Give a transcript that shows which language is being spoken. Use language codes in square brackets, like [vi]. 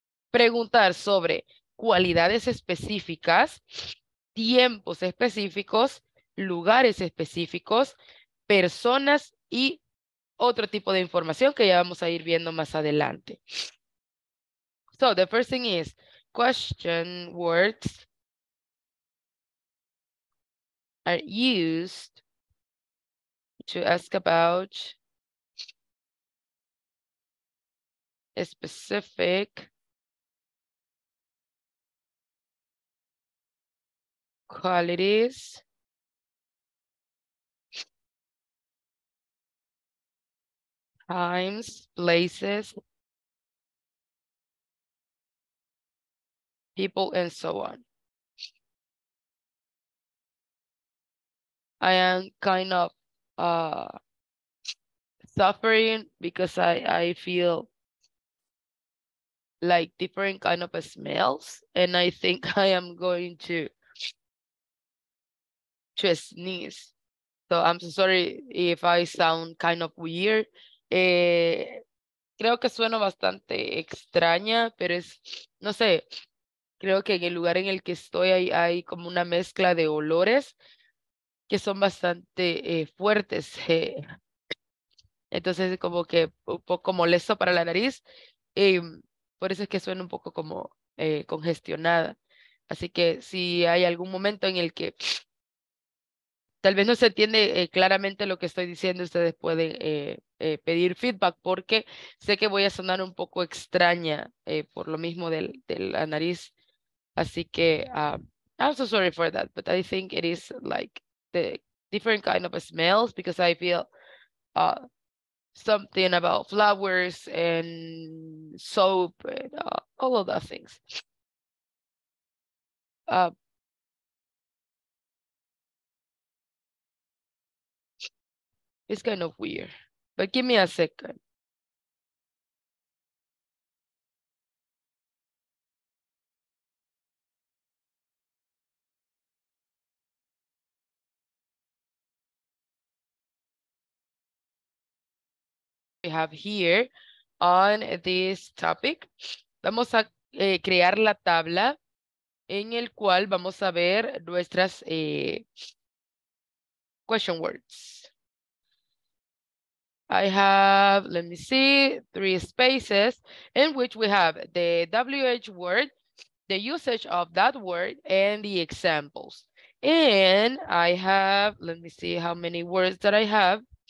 [es] preguntar sobre cualidades específicas, tiempos específicos, lugares específicos, personas y otro tipo de información que ya vamos a ir viendo más adelante. [en] So, the first thing is, question words are used to ask about specific qualities, times, places, people, and so on. I am kind of suffering because I feel like different kind of smells, and I think I am going to sneeze. So I'm sorry if I sound kind of weird. [es] Creo que sueno bastante extraña, pero es, no sé. Creo que en el lugar en el que estoy hay como una mezcla de olores que son bastante fuertes. Entonces es como que un poco molesto para la nariz. Por eso es que suena un poco como congestionada. Así que si hay algún momento en el que tal vez no se entiende claramente lo que estoy diciendo, ustedes pueden pedir feedback porque sé que voy a sonar un poco extraña por lo mismo de la nariz. Así que, [en] I'm so sorry for that, but I think it is like the different kind of smells because I feel something about flowers and soap and all of those things. It's kind of weird, but give me a second. We have here on this topic. [es] Vamos a crear la tabla en el cual vamos a ver nuestras question words. [en] I have, let me see, three spaces in which we have the WH word, the usage of that word, and the examples. And I have, let me see how many words that I have.